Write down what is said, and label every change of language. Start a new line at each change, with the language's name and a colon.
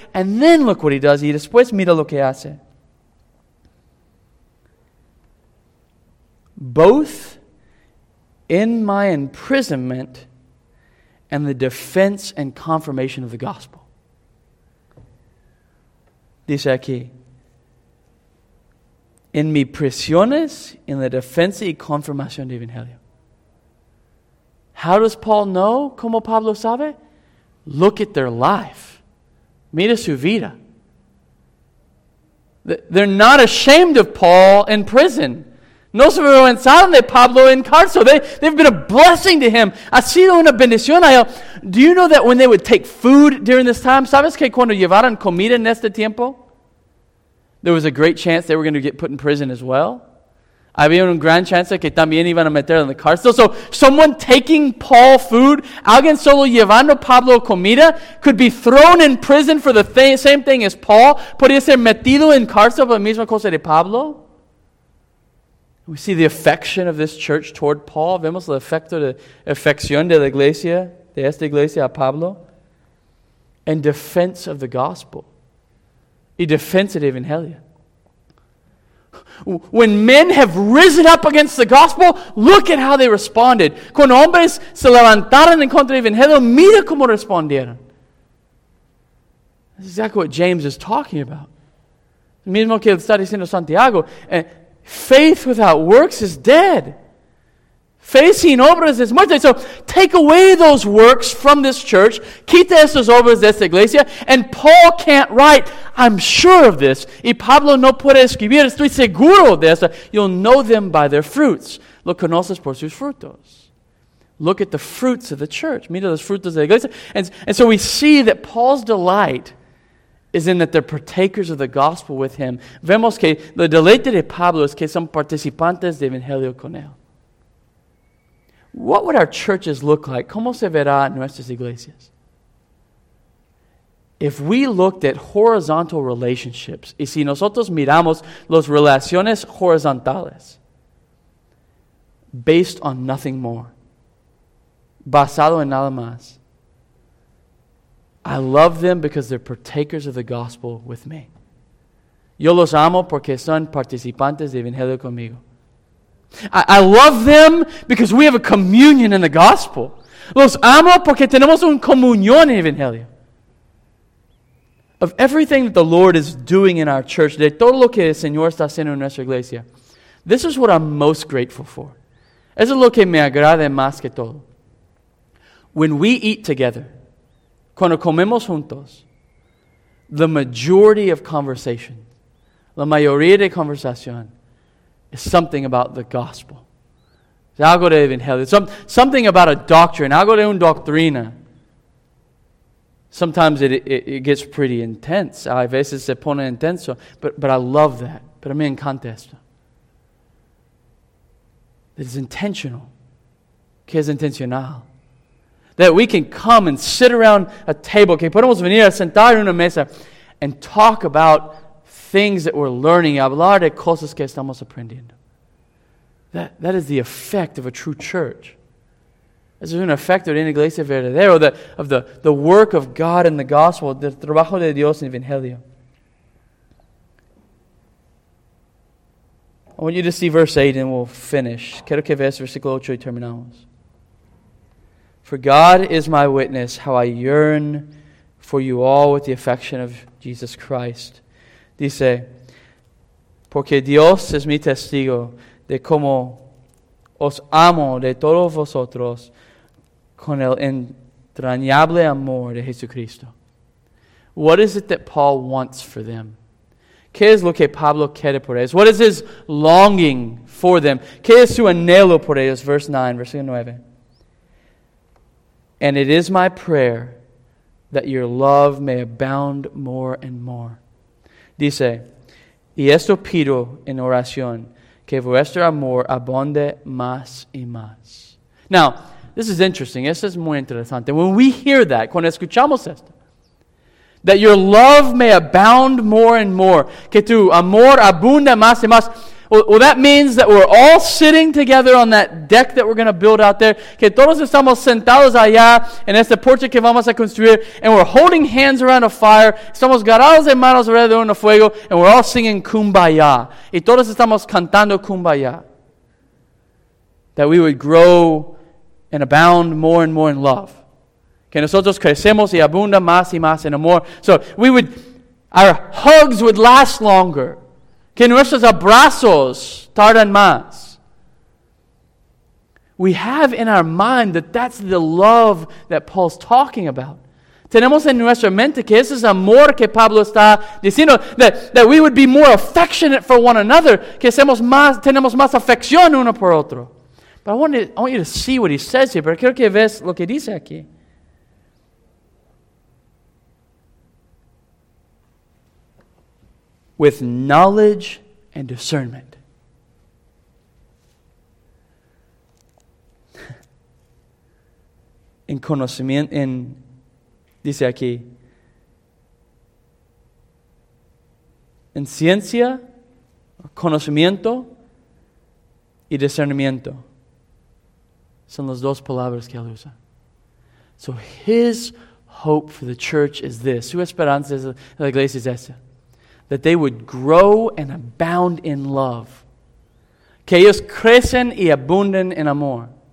English: And then look what he does.
Spanish: Y después mira lo que hace.
English: Both in my imprisonment and the defense and confirmation of the gospel.
Spanish: Dice aquí, en mis prisiones, en la defensa y confirmación del Evangelio.
English: How does Paul know?
Spanish: ¿Cómo Pablo sabe?
English: Look at their life.
Spanish: Mira su vida.
English: They're not ashamed of Paul in prison.
Spanish: No se avergüenzaron de Pablo en cárcel.
English: They've been a blessing to him.
Spanish: Ha sido una bendición a él.
English: Do you know that when they would take food during this time,
Spanish: ¿sabes que cuando llevaron comida en este tiempo?
English: There was a great chance they were going to get put in prison as well.
Spanish: Había una gran chance que también iban a meter en la cárcel.
English: So someone taking Paul food,
Spanish: alguien solo llevando Pablo comida,
English: could be thrown in prison for the same thing as Paul.
Spanish: Podría ser metido en cárcel por la misma cosa de Pablo.
English: We see the affection of this church toward Paul.
Spanish: Vemos el efecto de afección de la iglesia, de esta iglesia a Pablo.
English: And defense of the gospel.
Spanish: Y defensa del Evangelio.
English: When men have risen up against the gospel, look at how they responded.
Spanish: Cuando hombres se levantaron en contra del Evangelio, mira cómo respondieron.
English: That's exactly what James is talking about.
Spanish: Lo mismo que está diciendo Santiago.
English: Faith without works is dead.
Spanish: Faith sin obras es muerte.
English: So take away those works from this church.
Spanish: Quita esas obras de esta iglesia.
English: And Paul can't write. I'm sure of this.
Spanish: Y Pablo no puede escribir. Estoy seguro de eso.
English: You'll know them by their fruits.
Spanish: Lo conoces por sus frutos.
English: Look at the fruits of the church.
Spanish: Mira los frutos de la iglesia.
English: And so we see that Paul's delight is in that they're partakers of the gospel with him.
Spanish: Vemos que el deleite de Pablo es que son participantes del Evangelio con él.
English: What would our churches look like?
Spanish: ¿Cómo se verá nuestras iglesias?
English: If we looked at horizontal relationships,
Spanish: y si nosotros miramos las relaciones horizontales,
English: based on nothing more,
Spanish: basado en nada más,
English: I love them because they're partakers of the gospel with me.
Spanish: Yo los amo porque son participantes del Evangelio conmigo.
English: I love them because we have a communion in the gospel.
Spanish: Los amo porque tenemos un comunión en el Evangelio.
English: Of everything that the Lord is doing in our church,
Spanish: de todo lo que el Señor está haciendo en nuestra iglesia,
English: this is what I'm most grateful for.
Spanish: Eso es lo que me agrada más que todo.
English: When we eat together,
Spanish: cuando comemos juntos,
English: the majority of conversation,
Spanish: la mayoría de conversación,
English: is something about the gospel.
Spanish: Es algo de Evangelio.
English: Something about a doctrine.
Spanish: Algo de una doctrina.
English: Sometimes it gets pretty intense.
Spanish: A veces se pone intenso.
English: But I love that.
Spanish: Pero me encanta esto.
English: It's intentional.
Spanish: Que es intencional.
English: That we can come and sit around a table.
Spanish: Que podemos venir a sentar en una mesa.
English: And talk about things that we're learning.
Spanish: Hablar de cosas que estamos aprendiendo.
English: That is the effect of a true church.
Spanish: Es un efecto de una iglesia verdadera.
English: Of the work of God in the gospel.
Spanish: Del trabajo de Dios en el Evangelio.
English: I want you to see verse 8 and we'll finish.
Spanish: Quiero que veas versículo 8 y terminamos.
English: For God is my witness how I yearn for you all with the affection of Jesus Christ.
Spanish: Dice, porque Dios es mi testigo de cómo os amo de todos vosotros con el entrañable amor de Jesucristo.
English: What is it that Paul wants for them?
Spanish: ¿Qué es lo que Pablo quiere por ellos?
English: What is his longing for them?
Spanish: ¿Qué es su anhelo por ellos?
English: Verse 9,
Spanish: versículo 9.
English: And it is my prayer that your love may abound more and more.
Spanish: Dice, y esto pido en oración, que vuestro amor abonde más y más.
English: Now, this is interesting.
Spanish: Esto es muy interesante.
English: When we hear that,
Spanish: cuando escuchamos esto,
English: that your love may abound more and more,
Spanish: que tu amor abunde más y más.
English: Well, that means that we're all sitting together on that deck that we're going to build out there.
Spanish: Que todos estamos sentados allá en este porche que vamos a construir.
English: And we're holding hands around a fire.
Spanish: Estamos agarrados de manos alrededor de un fuego.
English: And we're all singing Kumbaya.
Spanish: Y todos estamos cantando Kumbaya.
English: That we would grow and abound more and more in love.
Spanish: Que nosotros crecemos y abunda más y más en amor.
English: So we would, our hugs would last longer.
Spanish: Que nuestros abrazos tardan más.
English: We have in our mind that that's the love that Paul's talking about.
Spanish: Tenemos en nuestra mente que ese es amor que Pablo está diciendo.
English: That we would be more affectionate for one another.
Spanish: Que seamos más, tenemos más afección uno por otro.
English: But I want you to see what he says here.
Spanish: Pero quiero que veas lo que dice aquí.
English: With knowledge and discernment.
Spanish: En conocimiento, en, dice aquí, en ciencia, conocimiento y discernimiento. Son las dos palabras que él usa.
English: So his hope for the church is this.
Spanish: Su esperanza es la iglesia es esta.
English: That they would grow and abound in love.
Spanish: Que ellos crecen y abunden en amor.